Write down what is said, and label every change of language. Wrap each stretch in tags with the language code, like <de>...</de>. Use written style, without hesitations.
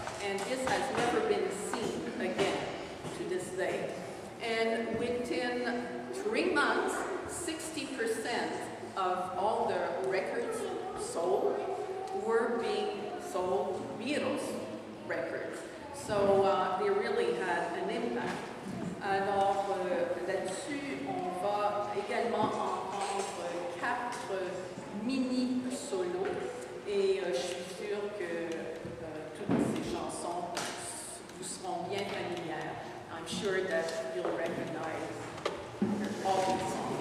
<en>And this has never been seen again to this day. And within 3 months, 60% of all the records sold were being sold Beatles records. So they really had an impact.</en> <fr>Alors, là-dessus, on va également entendre 4 mini solos. Et je suis sûre que toutes ces chansons vous seront bien familières.</fr> <en>I'm sure that you'll recognize all these songs.</en>